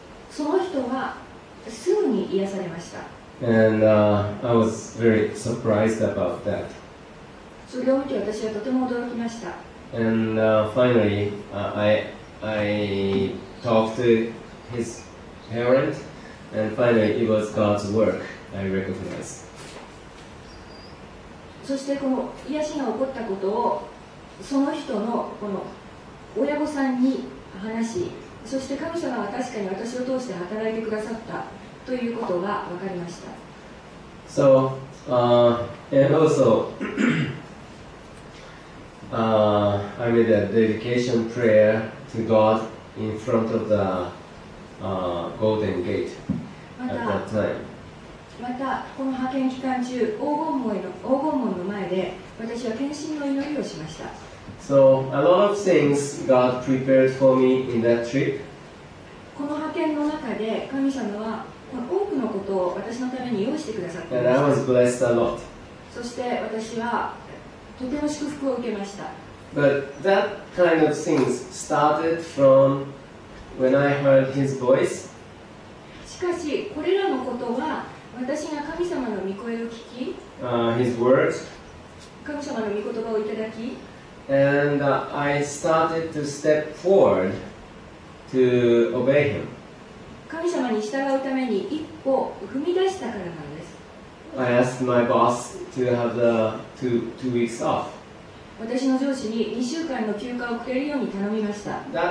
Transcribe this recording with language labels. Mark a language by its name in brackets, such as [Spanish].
[Japanese] その人はすぐに癒されました。 [English] And, I was very surprised about that. [Japanese] それを見て私はとても驚きました。 [English] And, finally, I talked to his parent, and finally it was God's work I recognized. [Japanese] そしてこの癒しが起こったことをその人のこの親御さんに話しそして神様は確かに私を通して働いてくださったということが分かりました。 [English] So, and also, I made a dedication prayer to God in front of the Golden Gate at that time. [Japanese] また、この派遣期間中、黄金門の前で私は献身の祈りをしました。 [English] So, a lot of things God prepared for me in that trip. [Japanese] この派遣の中で神様は多くのことを私のために用意してくださっていました。 [English] And I was blessed a lot. [Japanese] そして私はとても祝福を受けました。 [English] But that kind of things started from when I heard his voice. [Japanese] しかしこれらのことは私が神様の御声を聞き、 [English] his words. [Japanese] 神様の御言葉をいただき、 [English] And I started to step forward to obey him. [Japanese] 神様に従うために一歩踏み出したからなんです。 [English] I asked my boss to have the two weeks off. [Japanese] 私の上司に2週間の休暇をくれるように頼みました。